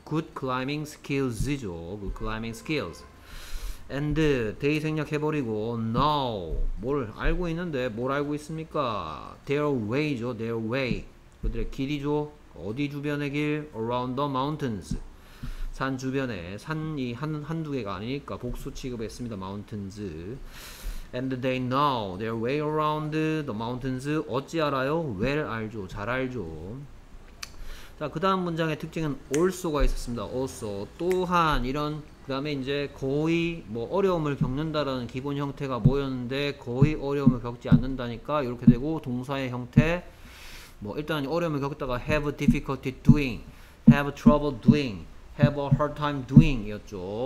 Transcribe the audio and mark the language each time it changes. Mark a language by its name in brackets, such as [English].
[English] good climbing skills [Korean] 죠. good climbing skills. [English] and they [Korean] 생략해버리고 know, 뭘 알고 있는데 뭘 알고 있습니까? [English] their way [Korean] 죠. their way. 그들의 길이죠. 어디 주변의 길? [English] around the mountains. [Korean] 산 주변에, 산이 한두 개가 아니니까 복수 취급했습니다. [English] mountains. [Korean] And they know their way around the mountains. 어찌 알아요? Well 알죠. 잘 알죠. 자, 그 다음 문장의 특징은 also가 있었습니다. [English] also. [Korean] 또한, 이런, 그 다음에 이제 거의 뭐 어려움을 겪는다라는 기본 형태가 뭐였는데 거의 어려움을 겪지 않는다니까 이렇게 되고, 동사의 형태. 뭐 일단 어려움을 겪다가 [English] have a difficulty doing, have a trouble doing, have a hard time doing [Korean] 이었죠.